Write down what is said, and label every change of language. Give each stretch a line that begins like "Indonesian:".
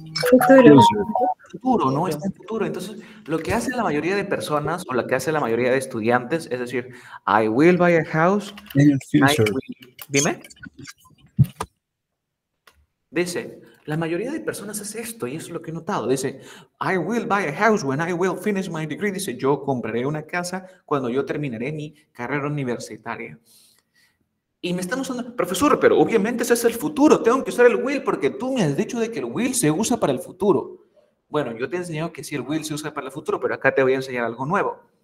Spanish: Futuro. Futuro, ¿no? Está en futuro. Entonces, lo que hace la mayoría de personas o lo que hace la mayoría de estudiantes es decir,
English: I will buy a house.
Spanish: Dime. Dice, la mayoría de personas hace esto y es lo que he notado.
English: Dice, I will buy a house when I will finish my degree.
Spanish: Dice, yo compraré una casa cuando yo terminaré mi carrera universitaria. Y me están usando, profesor, pero obviamente ese es el futuro. Tengo que usar el will porque tú me has dicho de que el will se usa para el futuro. Bueno, yo te he enseñado que sí, el will se usa para el futuro, pero acá te voy a enseñar algo nuevo.